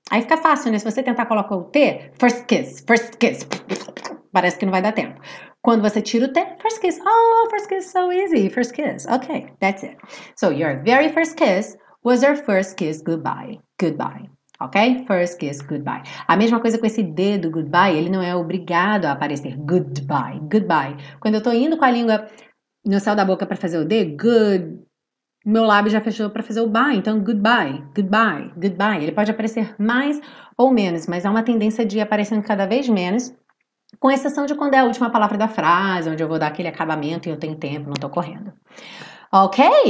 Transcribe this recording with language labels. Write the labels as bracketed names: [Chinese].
[Portuguese] Aí fica fácil, né? Se você tentar colocar o T, first kiss. Parece que não vai dar tempo. Quando você tira o T, first kiss. [English] Oh, first kiss, so easy. First kiss. Okay, that's it. So, your very first kiss was your first kiss goodbye. Goodbye. Ok? First kiss, goodbye. [Portuguese] A mesma coisa com esse D do goodbye, ele não é obrigado a aparecer. Goodbye. Quando eu tô indo com a língua no céu da boca pra fazer o D, good... Meu lábio já fechou para fazer o bye, então goodbye, goodbye, goodbye. Ele pode aparecer mais ou menos, mas há uma tendência de ir aparecendo cada vez menos, com exceção de quando é a última palavra da frase, onde eu vou dar aquele acabamento e eu tenho tempo, não estou correndo. Ok?